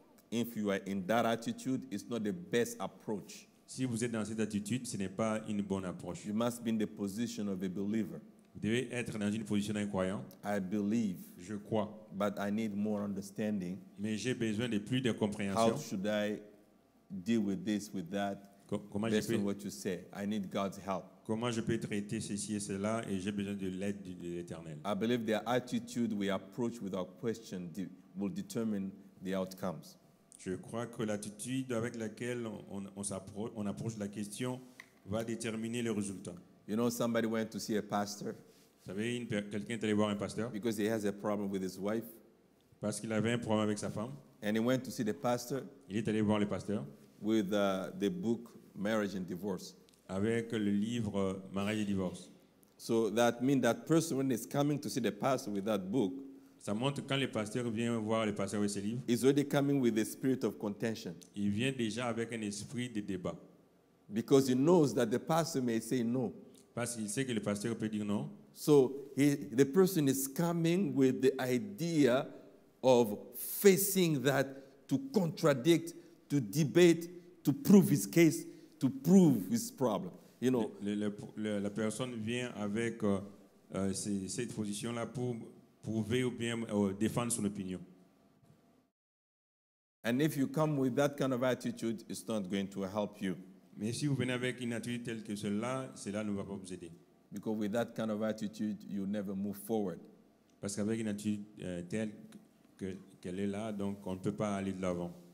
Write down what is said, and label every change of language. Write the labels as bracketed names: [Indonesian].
[English] If you are in that attitude, it's not the best approach. [French] Si vous êtes dans cette attitude, ce n'est pas une bonne approche. [English] You must be in the position of a believer. [French] Vous devez être dans une position d'un croyant. [English] I believe. [French] Je crois. [English] But I need more understanding. [French] Mais j'ai besoin de plus de compréhension. [English] How should I deal with this, with that? [French] Comment [English] based [French] je peux, [English] on what you say, I need God's help. [French] Comment je peux traiter ceci et cela et j'ai besoin de l'aide de l'Éternel. [English] I believe the attitude we approach with our question will determine the outcomes. [French] Je crois que l'attitude avec laquelle on approche la question va déterminer le résultat. [English] You know, somebody went to see a pastor. [French] Vous savez, quelqu'un est allé voir un pasteur. [English] Because he has a problem with his wife. [French] Parce qu'il avait un problème avec sa femme. [English] And he went to see the pastor. [French] Il est allé voir le pasteur. [English] With the book Marriage and Divorce. [French] Avec le livre Mariage et Divorce. [English] So that means that person when is coming to see the pastor with that book. [French] Ça montre quand le pasteur vient voir le pasteur avec ce livre. [English] Is already coming with the spirit of contention. [French] Il vient déjà avec un esprit de débat. [English] Because he knows that the pastor may say no. [French] Parce qu'il sait que le pasteur peut dire non. [English] So the person is coming with the idea of facing that, to contradict, to debate, to prove his case, to prove his problem. You know, [French] la personne vient avec cette position là pour prouver ou bien défendre son opinion. [English] And if you come with that kind of attitude, it's not going to help you. [French] Mais si vous venez avec une attitude telle que cela ne va pas vous aider. [English] Because with that kind of attitude, you never move forward. [French] Parce qu'avec une attitude telle qu'elle est là, donc on ne peut pas aller de l'avant.